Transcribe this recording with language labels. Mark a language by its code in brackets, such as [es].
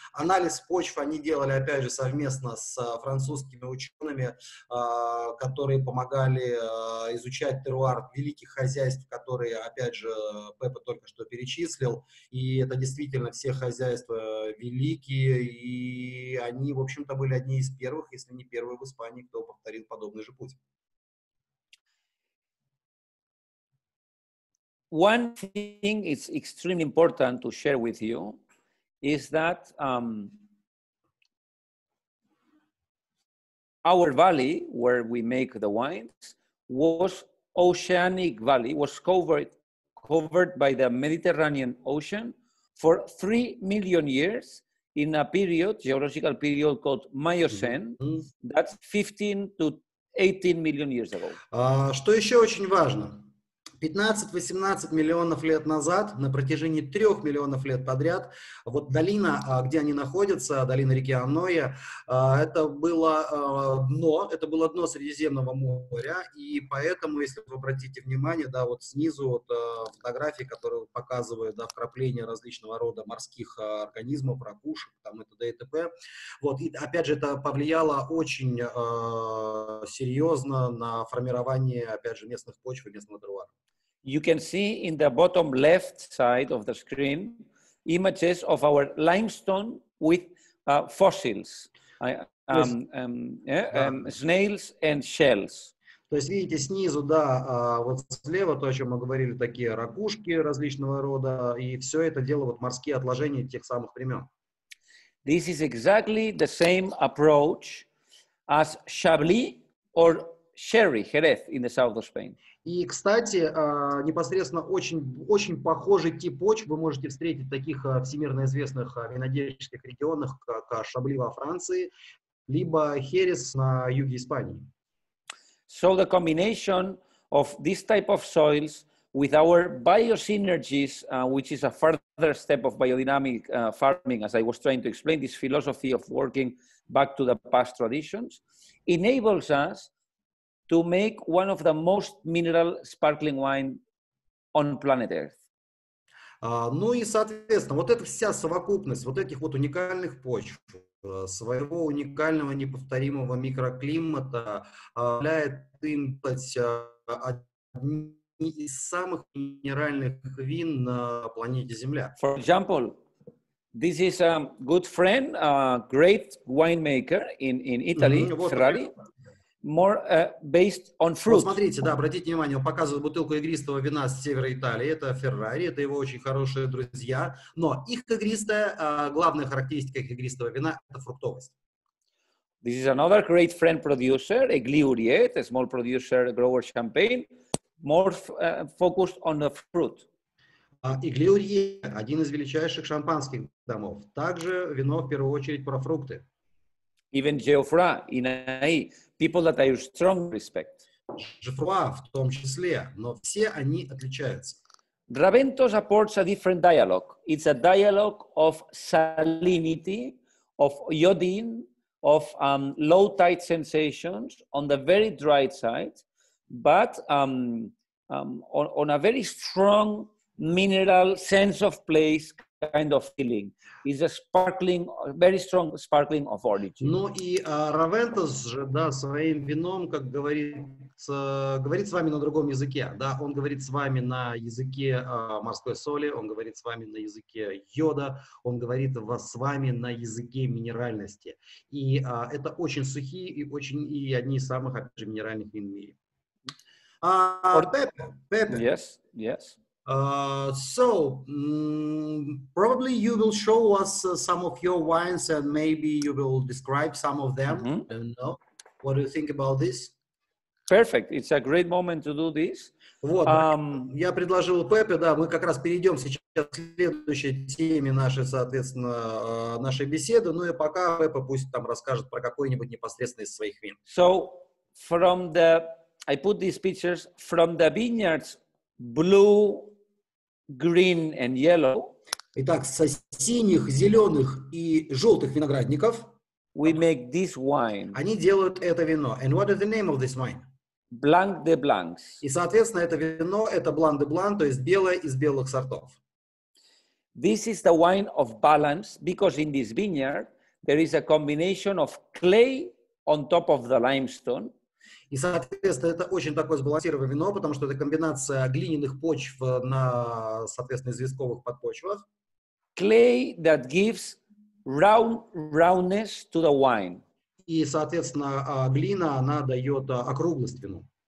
[ru] Анализ почвы они делали, опять же, совместно с французскими учеными, которые помогали изучать терруар великих хозяйств, которые, опять же, Пеппа только что перечислил. И это действительно все хозяйства великие, и они, в общем-то, были одни из первых, если не первые в Испании, кто повторил подобный же путь. [en] One thing is extremely important to share with you is that our valley where we make the wines was oceanic valley, was covered by the Mediterranean Ocean for 3 million years in a period, geological period called Miocene, that's 15 to 18 million years ago. [ru] Что еще очень важно? 15-18 миллионов лет назад, на протяжении 3 миллионов лет подряд, вот долина, где они находятся, долина реки Аноя, это было дно, Средиземного моря, и поэтому, если вы обратите внимание, да, вот снизу вот фотографии, которые показывают, да, вкрапления различного рода морских организмов, ракушек, там, и т.д. и т.п., вот, и, опять же, это повлияло очень серьезно на формирование, опять же, местных почв и местного терруара. [en] You can see in the bottom left side of the screen images of our limestone with fossils, snails and shells. [ru] То есть видите снизу, да, вот слева то, о чем мы говорили, такие ракушки различного рода, и все это дело вот морские отложения тех самых времен. [en] This is exactly the same approach as Chablis or Sherry, Jerez, in the south of Spain. [ru] И, кстати, непосредственно очень похожий тип почв вы можете встретить в таких всемирно известных винодельческих регионах, как Шабли во Франции, либо Херес на юге Испании. [en] So the combination of this type of soils with our biosynergies, which is a further step of biodynamic farming, as I was trying to explain, this philosophy of working back to the past traditions, enables us to make one of the most mineral sparkling wine on planet Earth. [ru] Ну и, соответственно, вот эта вся совокупность вот этих вот уникальных почв, своего уникального неповторимого микроклимата, позволяет им быть одним из самых минеральных вин на планете Земля. [en] For example, this is a good friend, a great winemaker in Italy, Ferrari. More based on fruit. [ru] Смотрите, да, обратите внимание, он показывает бутылку игристого вина с севера Италии, это Феррари, это его очень хорошие друзья, но их игристая, главная характеристика их игристого вина – это фруктовость. [en] This is another great friend producer, a Gliuriet, a small producer, grower champagne, more focused on the fruit. [ru] И Gliuriet – один из величайших шампанских домов. Также вино, в первую очередь, про фрукты. [en] Even Geoffroy in AI, people that I strongly respect. [ru] Geoffroy в том числе, но все они отличаются. [en] Raventos supports a different dialogue. It's a dialogue of salinity, of iodine, of low tide sensations on the very dry side, but on a very strong mineral sense of place kind of feeling. Is a sparkling, very strong sparkling of origin. [ru] Ну и Raventos же, да, своим вином, как говорится, говорит с вами на другом языке, да, он говорит с вами на языке морской соли, он говорит с вами на языке йода, он говорит с вами на языке минеральности. И это очень сухие и очень и одни из самых, опять же, минеральных вин в мире. Пеппе. [en] Yes. Probably you will show us some of your wines and maybe you will describe some of them. Mm-hmm. What do you think about this? Perfect. It's a great moment to do this. [ru] Вот, я предложил Пепе, да, мы как раз перейдем сейчас к следующей теме нашей, соответственно, нашей беседы, ну и пока Пепе пусть там расскажет про какой-нибудь непосредственно из своих вин. [en] So, from the, I put these pictures from the vineyards, blue, green and yellow. [ru] Итак, со синих, зеленых и желтых виноградников. [en] We make this wine. [ru] Они делают это вино. [en] And what is the name of this wine? [fr] Blanc de Blancs. [ru] И, соответственно, это вино, это Blanc de Blanc, то есть белое из белых сортов. [en] This is the wine of balance, because in this vineyard there is a combination of clay on top of the limestone. [ru] И, соответственно, это очень такое сбалансированное вино, потому что это комбинация глиняных почв на, соответственно, известковых подпочвах. [en] Clay that gives roundness to the wine. [ru] И, соответственно, глина, она дает округлость вину.